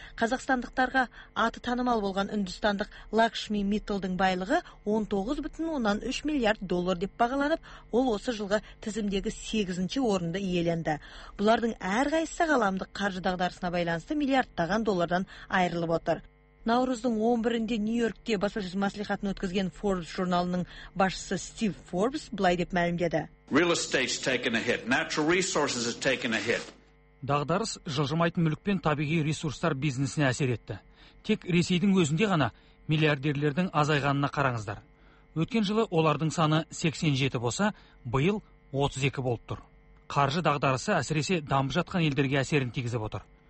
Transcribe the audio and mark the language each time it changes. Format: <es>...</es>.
<kk>Қазақстандықтарға аты танымал болған үндістандық Лакшми Миттлдің байлығы 19.3 миллиард доллар деп бағаланып, ол осы жылғы тізімдегі 8-ші орынды иеленді. Бұлардың әрқайсысы ғаламдық қаржы дағдарысына байланысты миллиардтаған доллардан айырылып отыр. Наурыздың 11-інде Нью-Йоркте баспасөз мәслихатын өткізген Forbes журналының басшысы Стив Forbes былай деп мәлімдеді.</kk> <en>Real estate's taken a hit. Natural resources has taken a hit.</en> <kk>Дағдарыс жылжымайтын мүлік пен табиғи ресурстар бизнесіне әсер етті. Тек Ресейдің өзінде ғана миллиардерлердің азайғанына қараңыздар. Өткен жылы олардың саны 87 болса, биыл 32 болып тұр. қаржы дағдарысы әсіресе дамып жатқан елдерге әсерін тигізіп отыр.</kk>